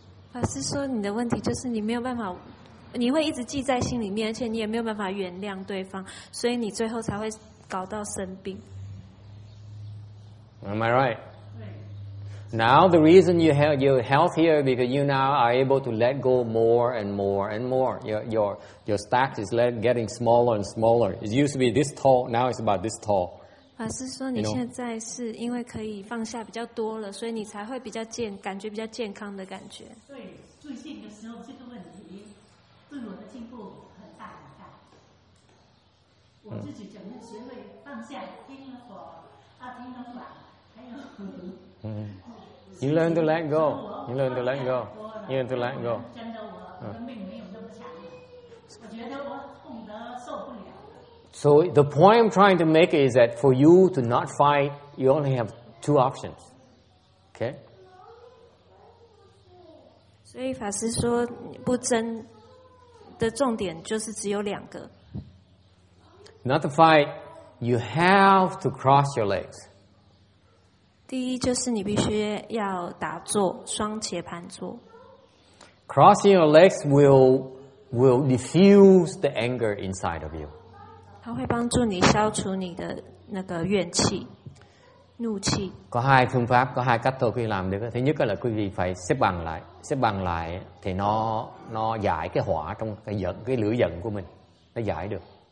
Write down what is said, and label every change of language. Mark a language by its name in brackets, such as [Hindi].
[Chinese] 法师说你的问题就是你没有办法，你会一直记在心里面，而且你也没有办法原谅对方，所以你最后才会搞到生病。 [English] Am I right? Now the reason you're healthier because you now are able to let go more and more and more. Your stack is getting smaller and smaller. It used to be this tall, now it's about this tall. [Chinese] 法师说：“你现在是因为可以放下比较多了，所以你才会比较健，感觉比较健康的感觉。” 对，最近的时候这个问题对我的进步很大很大。我自己怎么学会放下？听了火，啊，听了暖，还有。 [English] You learn to let go. You learn to let go. You learn to let go. [Chinese] 真的，我的命没有那么强，我觉得我痛得受不了。 [English] So the point I'm trying to make is that for you to not fight, you only have two options. Okay? [Chinese] 所以法师说不争的重点就是只有两个。 [English] Not to fight, you have to cross your legs. [Chinese] 第一就是你必须要打坐，双节盘坐。 [English] Crossing your legs will diffuse the anger inside of you. [Chinese] 它会帮助你消除你的那个怨气、怒气。 [Vietnamese] có hai phương pháp, có hai cách thôi khi làm được. Thứ nhất là quý vị phải xếp bằng lại thì nó giải cái hỏa trong cái giận, cái lửa giận của mình, nó giải được.